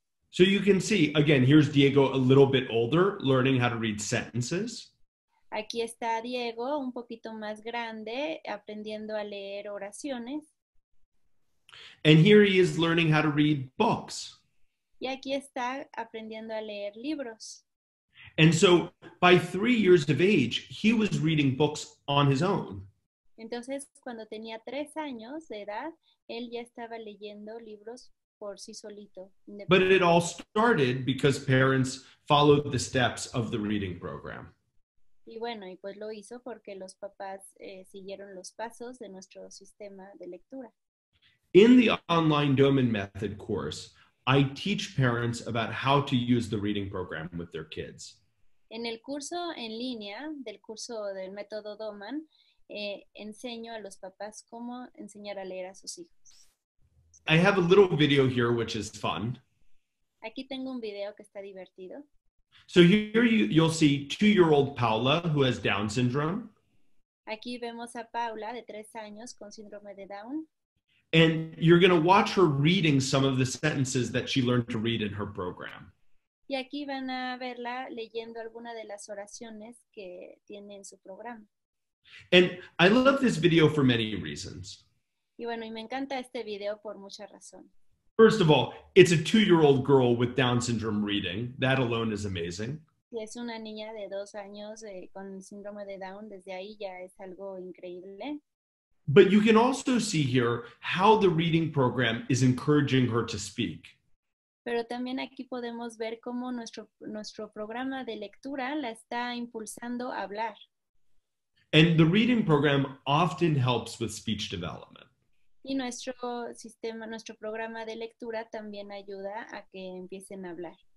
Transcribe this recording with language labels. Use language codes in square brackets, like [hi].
[en] So you can see, again, here's Diego a little bit older, learning how to read sentences. [es] Aquí está Diego, un poquito más grande, aprendiendo a leer oraciones. [en] And here he is learning how to read books. [es] Y aquí está aprendiendo a leer libros. [en] And so by 3 years of age, he was reading books on his own. [es] Entonces, cuando tenía 3 años de edad, él ya estaba leyendo libros por sí solito. [en] But it all started because parents followed the steps of the reading program. [es] Y bueno, y pues lo hizo porque los papás siguieron los pasos de nuestro sistema de lectura. [en] In the online Doman Method course, I teach parents about how to use the reading program with their kids. [es] En el curso en línea del curso del método Doman, enseño a los papás cómo enseñar a leer a sus hijos. [en] I have a little video here which is fun. [es] Aquí tengo un video que está divertido. [en] So here you'll see 2-year-old Paula who has Down syndrome. [es] Aquí vemos a Paula de 3 años con síndrome de Down. [en] And you're going to watch her reading some of the sentences that she learned to read in her program. [es] Y aquí van a verla leyendo alguna de las oraciones que tiene en su programa. [en] And I love this video for many reasons. [es] Y bueno, y me encanta este video por muchas razones. [en] First of all, it's a 2-year-old girl with Down syndrome reading. That alone is amazing. [es] Y es una niña de 2 años con síndrome de Down. Desde ahí ya es algo increíble. [en] But you can also see here how the reading program is encouraging her to speak. [es] Pero también aquí podemos ver cómo nuestro programa de lectura la está impulsando a hablar. [en] And the reading program often helps with speech development. [es] Y nuestro sistema, nuestro programa de lectura también ayuda a que empiecen a hablar.